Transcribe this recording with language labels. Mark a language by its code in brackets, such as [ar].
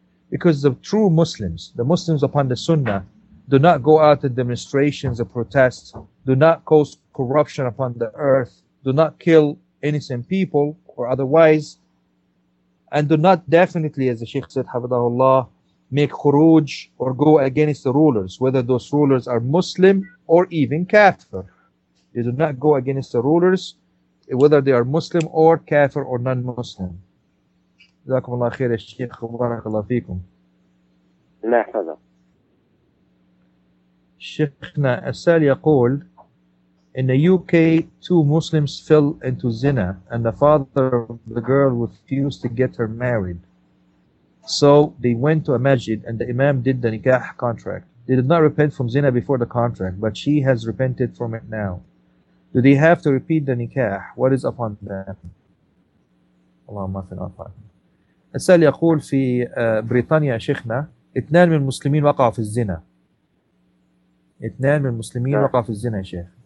[en] Because the true Muslims, the Muslims upon the Sunnah, do not go out in demonstrations or protests, do not cause corruption upon the earth, do not kill innocent people or otherwise, and do not definitely, as the Sheikh said, Hafidhahullah, make khuruj or go against the rulers, whether those rulers are Muslim or even kafir. They do not go against the rulers, whether they are Muslim or kafir or non-Muslim. [ar] جزاكم الله خير يا شيخ وبارك الله فيكم. الله يحفظك. [en] شيخنا أسال يقول in the UK two Muslims fell into zina and the father of the girl refused to get her married. So they went to a masjid and the imam did the nikah contract. They did not repent from zina before the contract, but she has repented from it now. Do they have to repeat the nikah? What is upon them? Allahumma fi al-afa. [ar] أسأل يقول في بريطانيا شيخنا اثنان من المسلمين وقعوا في الزنا. اثنان من المسلمين وقعوا في الزنا يا شيخ.